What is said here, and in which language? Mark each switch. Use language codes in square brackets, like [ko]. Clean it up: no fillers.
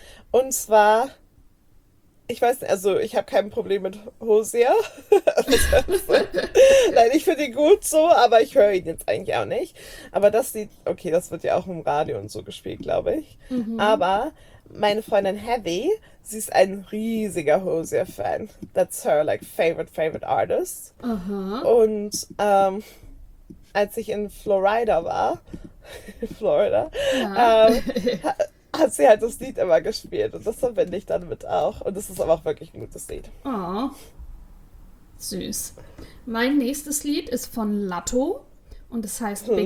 [de] Und zwar, ich weiß nicht, also ich habe kein Problem mit Hozier. Was soll ich sagen? Nein, ich finde ihn gut so, aber ich höre ihn jetzt eigentlich auch nicht. Aber das Lied, okay, das wird ja auch im Radio und so gespielt, glaube ich. Aber meine Freundin Heavy, sie ist ein riesiger Hozier-Fan. [en] That's her, like, favorite artist. [de] Und als ich in Florida war, Florida, Ja. hat sie halt das Lied immer gespielt. Und das verbinde ich dann mit auch. Und das ist aber auch wirklich ein gutes Lied. Oh, süß. Mein nächstes Lied ist von Latto und es heißt Big,